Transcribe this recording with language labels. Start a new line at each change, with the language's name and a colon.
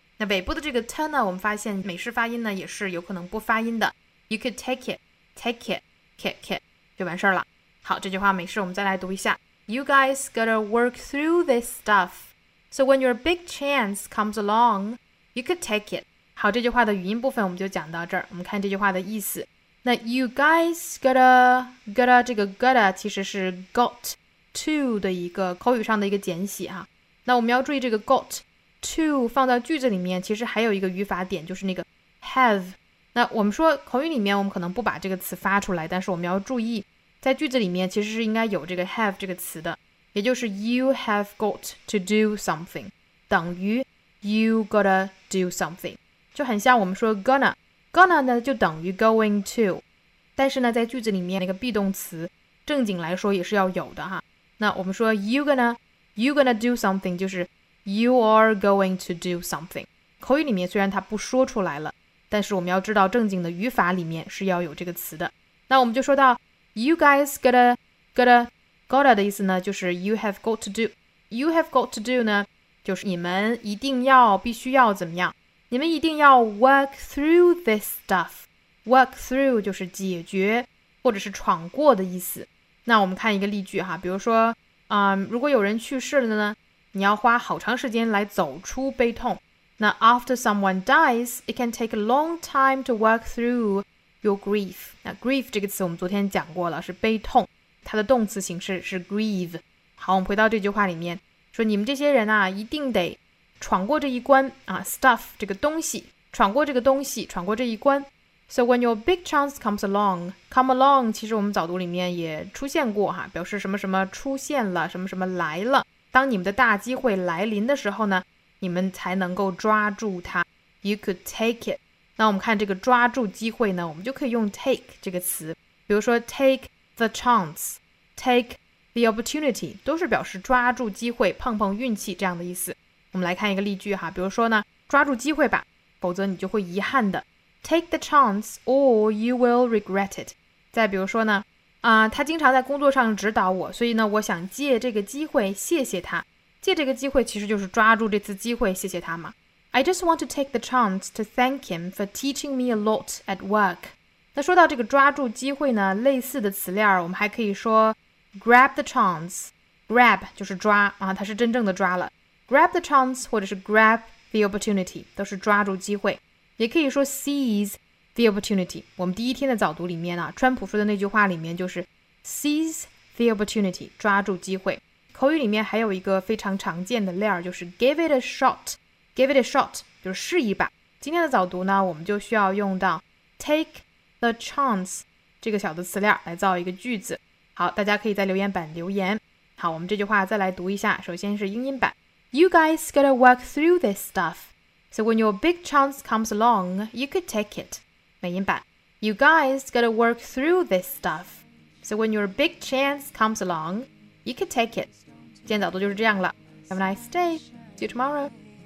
Chinese: 那尾部的这个 t 呢，我们发现美式发音呢也是有可能不发音的。
English: You could take it,
Chinese: 就完事了。好，这句话美式我们再来读一下。
English: You guys gotta work through this stuff. So when your big chance comes along, you could take it.
Chinese: 好，这句话的语音部分我们就讲到这儿。我们看这句话的意思。那 you guys gotta 这个 gotta 其实是 got. to 的一个口语上的一个简写哈，那我们要注意这个 got to 放到句子里面，其实还有一个语法点，就是那个 have。那我们说口语里面我们可能不把这个词发出来，但是我们要注意在句子里面其实是应该有这个 have 这个词的，也就是
English: you have got to do something
Chinese: 等于
English: you gotta do something，
Chinese: 就很像我们说 gonna 呢就等于 going to， 但是呢在句子里面那个 be 动词正经来说也是要有的哈。那我们说
English: you gonna do something
Chinese: 就是
English: you are going to do something，
Chinese: 口语里面虽然它不说出来了，但是我们要知道正经的语法里面是要有这个词的。那我们就说到
English: you guys gotta
Chinese: 的意思呢，就是
English: you have got to do
Chinese: 呢就是你们一定要必须要怎么样，你们一定要
English: work through this stuff。
Chinese: work through 就是解决或者是闯过的意思。那我们看一个例句哈，比如说如果有人去世了呢，你要花好长时间来走出悲痛。
English: 那 after someone dies, it can take a long time to work through your grief。
Chinese: 那 grief 这个词我们昨天讲过了，是悲痛，它的动词形式是 grieve。好，我们回到这句话里面，说你们这些人啊一定得闯过这一关啊， stuff 这个东西，闯过这一关。
English: So when your big chance comes along,
Chinese: come along 其实我们早读里面也出现过哈，表示什么什么出现了，什么什么来了。当你们的大机会来临的时候呢，你们才能够抓住它。
English: You could take it.
Chinese: 那我们看这个抓住机会呢，我们就可以用 take 这个词。比如说
English: take the chance, take the opportunity,
Chinese: 都是表示抓住机会，碰碰运气这样的意思。我们来看一个例句哈，比如说呢，抓住机会吧，否则你就会遗憾的。
English: Take the chance or you will regret it.
Chinese: 再比如说呢，他经常在工作上指导我，所以呢，我想借这个机会谢谢他。借这个机会其实就是抓住这次机会谢谢他嘛。
English: I just want to take the chance to thank him for teaching me a lot at work.
Chinese: 那说到这个抓住机会呢，类似的词链我们还可以说
English: grab the chance.
Chinese: Grab 就是抓啊，它是真正的抓了。
English: Grab the chance
Chinese: 或者是
English: grab the opportunity
Chinese: 都是抓住机会，也可以说
English: seize the opportunity。
Chinese: 我们第一天的早读里面啊，川普说的那句话里面就是
English: seize the opportunity，
Chinese: 抓住机会。口语里面还有一个非常常见的例儿，就是
English: give it a shot，
Chinese: give it a shot 就是试一把。今天的早读呢，我们就需要用到
English: take the chance
Chinese: 这个小的词链来造一个句子。好，大家可以在留言板留言。好，我们这句话再来读一下，首先是英音版。
English: You guys gotta work through this stuff, so when your big chance comes along, you could take it.
Chinese: 美音版。
English: You guys gotta work through this stuff, so when your big chance comes along, you could take it.
Chinese: 今天早读就是这样了。
English: Have a nice day. See you tomorrow.